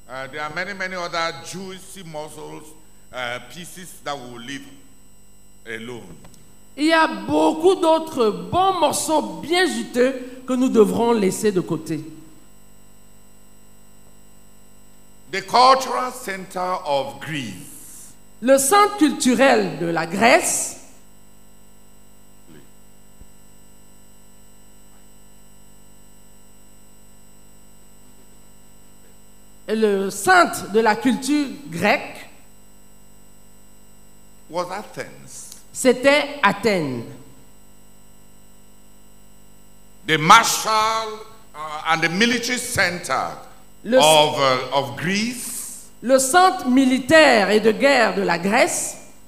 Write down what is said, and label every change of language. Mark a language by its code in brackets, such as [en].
[en] there are many, many other juicy muscles, pieces that will leave alone. [fr] Il y a beaucoup d'autres bons morceaux bien juteux que nous devrons laisser de côté. [en] The cultural center of Greece. [fr] Le centre culturel de la Grèce. Et le centre de la culture grecque. [en] Was Athens. [fr] C'était Athènes. [en] The martial and the military center of Greece. [fr] Le centre militaire et de guerre de la Grèce.